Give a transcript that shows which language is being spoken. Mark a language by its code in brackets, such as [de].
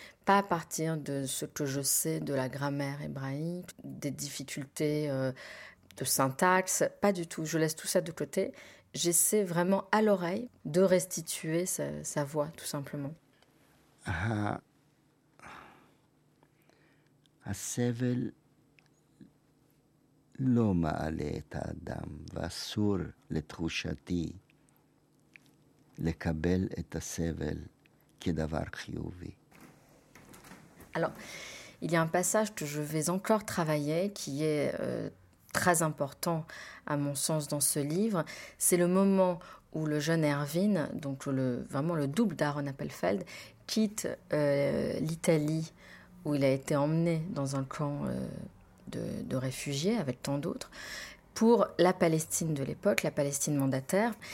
[fr] Pas à partir de ce que je sais de la grammaire hébraïque, des difficultés de syntaxe. Pas du tout. Je laisse tout ça de côté. J'essaie vraiment à l'oreille de restituer sa voix, tout simplement. [he] הסבל לא מעלה את האדם, ואסור לתחושתי לקבל את הסבל כדבר חיובי. [fr] Alors, il y a un passage que je vais encore travailler, qui est très important à mon sens dans ce livre. C'est le moment où le jeune Erwin, donc vraiment le double d'Aaron Appelfeld, quitte l'Italie où il a été emmené dans un camp de réfugiés avec tant d'autres pour la Palestine de l'époque, la Palestine mandataire.